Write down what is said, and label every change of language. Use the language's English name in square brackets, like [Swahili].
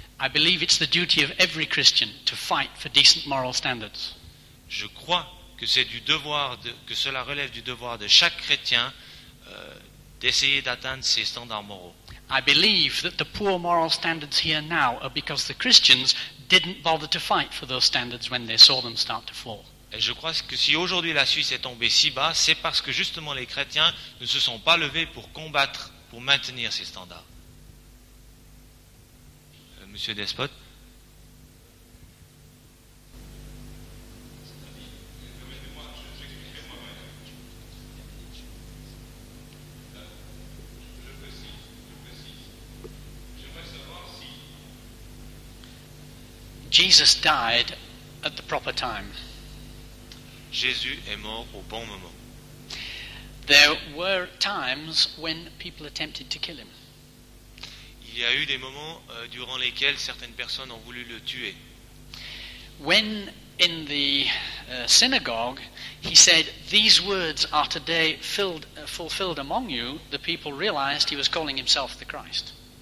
[English] I believe it's the duty of every Christian to fight for decent moral standards. [French] Je crois que c'est du devoir que cela relève du devoir de chaque chrétien d'essayer d'atteindre ces standards moraux. [English] I believe that the poor moral standards here now are because the Christians didn't bother to fight for those standards when they saw them start to fall. [French] Et je crois que si aujourd'hui la Suisse est tombée si bas, c'est parce que justement les chrétiens ne se sont pas levés pour combattre, pour maintenir ces standards. Monsieur Despot. [English] Jesus died at the proper time. [French] Jésus est mort au bon moment. [English] There were times when people attempted to kill him. [French] Il y a eu des moments durant lesquels certaines personnes ont voulu le tuer. [English] When in the synagogue he said, "These words are today fulfilled among you," the people realized he was calling himself the Christ.